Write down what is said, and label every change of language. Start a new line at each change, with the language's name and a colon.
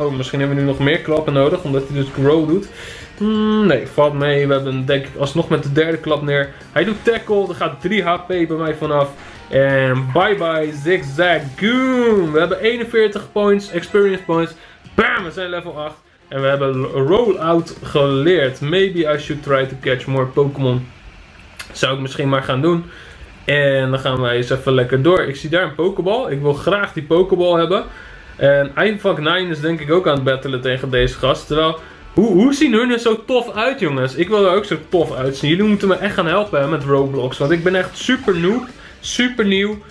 Dutch: Oh, misschien hebben we nu nog meer klappen nodig omdat hij dus Grow doet. Nee, valt mee. We hebben hem denk ik alsnog met de 3e klap neer. Hij doet Tackle, er gaat 3 HP bij mij vanaf. En bye bye Zigzagoon. We hebben 41 points, experience points. Bam, we zijn level 8. En we hebben Rollout geleerd.
English: Maybe I should try to catch more Pokémon.
Dutch: Zou ik misschien maar gaan doen. En dan gaan wij eens even lekker door. Ik zie daar een Pokéball. Ik wil graag die Pokéball hebben. En Eindvak 9 is denk ik ook aan het battelen tegen deze gast. Terwijl, hoe zien hun er zo tof uit jongens? Ik wil er ook zo tof uitzien. Jullie moeten me echt gaan helpen hè, met Roblox. Want ik ben echt super noob. Super nieuw.